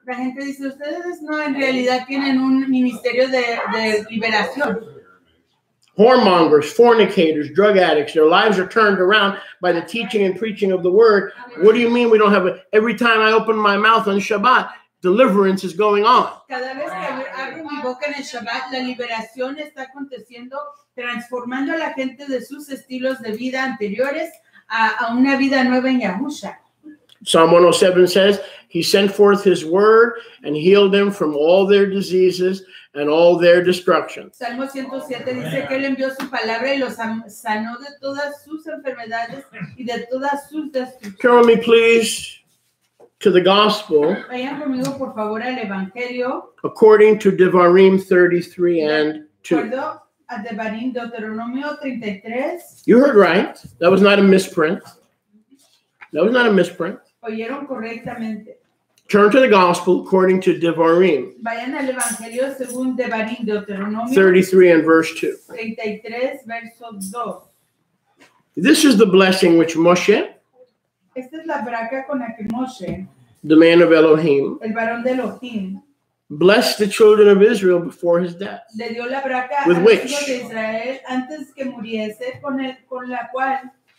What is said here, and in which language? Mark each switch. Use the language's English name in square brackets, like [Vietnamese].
[Spanish] La gente dice, ustedes no, en realidad tienen un ministerio de liberación. [English] Whoremongers, fornicators, drug addicts, their lives are turned around by the teaching and preaching of the word. What do you mean we don't have a, every time I open my mouth on Shabbat, deliverance is going on. [Spanish] Cada vez que abro mi boca en el Shabbat, la liberación está aconteciendo, transformando a la gente de sus estilos de vida anteriores a una vida nueva en Yahusha. [English] Psalm 107 says, he sent forth his word and healed them from all their diseases and all their destruction. [Spanish] Salmo 107 dice que él envió su palabra y los sanó de todas sus enfermedades y de todas sus destrucciones. [English] Carry me, please, to the gospel. [Spanish] Vayan conmigo, por favor, al evangelio. [English] According to Devarim 33 and 2. [Spanish] A Devarim, Deuteronomio 33. [English] You heard right. That was not a misprint. That was not a misprint. [Spanish] Oyeron correctamente. [English] Turn to the gospel according to Devarim. [Spanish] Vayan al evangelio según Devarim, Deuteronomio [English] 33 and verse 2. [Spanish] 33, verso 2. [English] This is the blessing which Moshe, [Spanish] esta es la braca con la que Moshe, [English] the man of Elohim, [Spanish] el varón de Elohim, [English] blessed the children of Israel before his death. [Spanish] Le dio la braca [English] with a which? [Spanish] De Israel antes que muriese, con el, con la cual,